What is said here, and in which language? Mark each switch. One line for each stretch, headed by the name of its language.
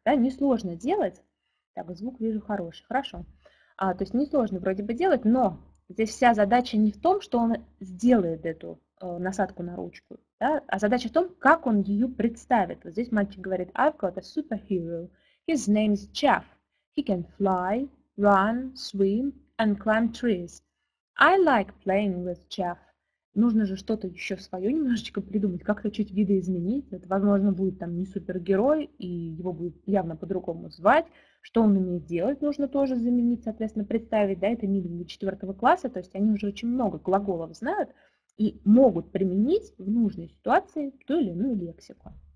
Russian: Да, несложно делать. Так, звук вижу хороший. Хорошо. То есть несложно вроде бы делать, но здесь вся задача не в том, что он сделает эту насадку на ручку, да, а задача в том, как он ее представит. Вот здесь мальчик говорит:
English: I've got a superhero. His name is Jeff. He can fly, run, swim and climb trees. I like playing with Jeff.
Russian: Нужно же что-то еще свое немножечко придумать, как-то чуть видоизменить. Это, возможно, будет там не супергерой, и его будет явно по-другому звать. Что он умеет делать, нужно тоже заменить, соответственно, представить. Да, это минимум 4 класса, то есть они уже очень много глаголов знают и могут применить в нужной ситуации ту или иную лексику.